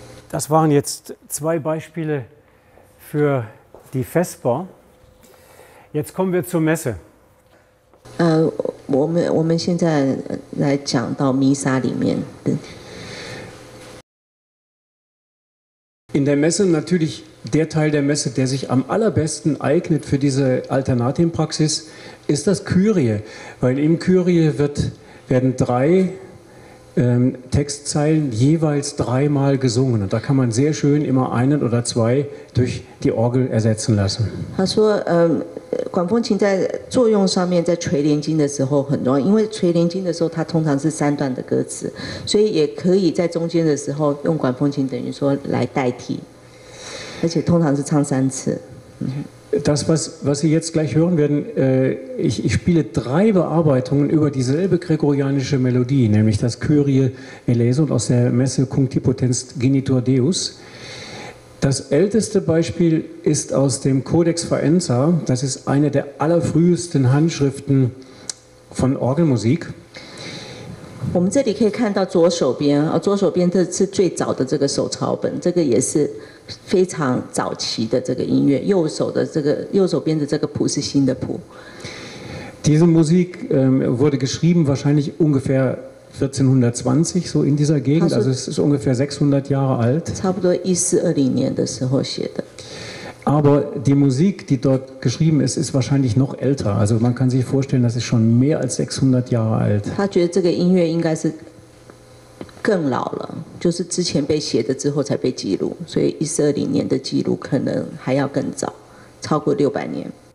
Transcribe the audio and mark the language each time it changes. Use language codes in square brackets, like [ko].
[de] Das waren jetzt zwei Beispiele für die Vesper. Jetzt kommen wir zur Messe. [zh] 我们现在来讲到弥撒里面。 [de] In der Messe natürlich der Teil der Messe, der sich am allerbesten eignet für diese Alternatienpraxis, ist das Kyrie, weil im Kyrie werden drei Textzeilen jeweils dreimal gesungen. Und da kann man sehr schön immer einen oder zwei durch die Orgel ersetzen lassen. [zh] 他说，管风琴在作用上面，在垂帘经的时候很重要，因为垂帘经的时候它通常是三段的歌词，所以也可以在中间的时候用管风琴等于说来代替，而且通常是唱三次。 [de] Das, was Sie jetzt gleich hören werden, ich spiele drei Bearbeitungen über dieselbe gregorianische Melodie, nämlich das Kyrie Eleison aus der Messe Cuncti Potens Genitor Deus. Das älteste Beispiel ist aus dem Codex Faenza, das ist eine der allerfrühesten Handschriften von Orgelmusik. [zh] 我们这里可以看到左手边，左手边这是最早的这个手抄本，这个也是非常早期的这个音乐。右手的这个右手边的这个谱是新的谱。 [de] Diese Musik wurde geschrieben wahrscheinlich ungefähr 1420 so in dieser Gegend, also es ist ungefähr 600 Jahre alt. [zh] 差不多1420年的时候写的。 [de] Aber die Musik, die dort geschrieben ist, ist wahrscheinlich noch älter. Also man kann sich vorstellen, das ist schon mehr als 600 Jahre alt. [zh] 他觉得这个音乐应该是更老了，就是之前被写的之后才被记录，所以1420年的记录可能还要更早，超过600年。